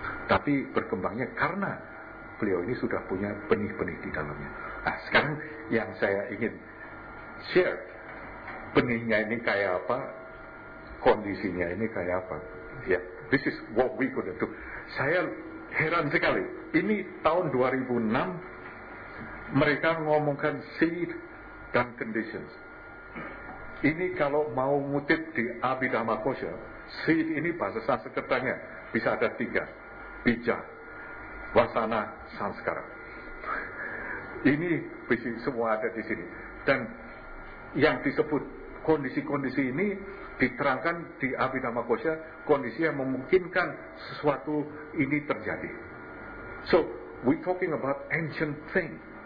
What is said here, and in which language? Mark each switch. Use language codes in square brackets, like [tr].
[id] Tapi berkembangnya karena beliau ini sudah punya benih-benih di dalamnya. Nah, sekarang yang saya ingin share, benihnya ini kayak apa, kondisinya ini kayak apa. [en] Yeah, this is what we could do. [id] Saya heran sekali. Ini tahun 2006, mereka ngomongkan seed dan conditions. Ini kalau mau ngutip di Abhidhamma Kosha, seed ini bahasa Sanskertanya bisa ada 3. Bija, wasana, sanskara. Ini bisa semua ada di sini. Dan yang disebut kondisi-kondisi ini diterangkan di Abhidhamma Kosha, kondisi yang memungkinkan sesuatu ini terjadi. [en] So, we talking about ancient thing.